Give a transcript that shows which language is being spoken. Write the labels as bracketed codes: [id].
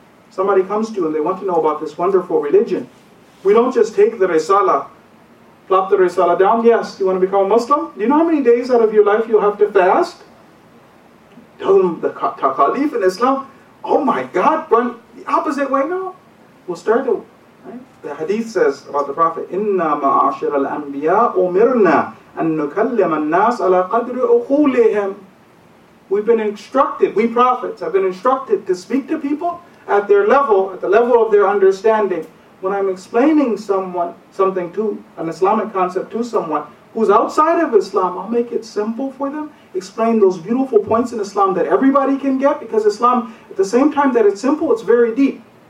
[en] Somebody comes to you and they want to know about this wonderful religion. We don't just take the risala, plop the risala down. Yes, you want to become a Muslim? Do you know how many days out of your life you'll have to fast? Tell them the taqalif in Islam. Oh my God, run the opposite way now. We'll start to, right? The hadith says about the Prophet, [ar] إِنَّا مَعَاشِرَ الْأَنْبِيَاءُ أُمِرْنَا أَن نُكَلِّمَ النَّاسَ عَلَى قَدْرِ أُخُولِهِمْ. [en] We've been instructed, we prophets have been instructed to speak to people at their level, at the level of their understanding. When I'm explaining an Islamic concept to someone who's outside of Islam, I'll make it simple for them, explain those beautiful points in Islam that everybody can get, because Islam, at the same time that it's simple, it's very deep.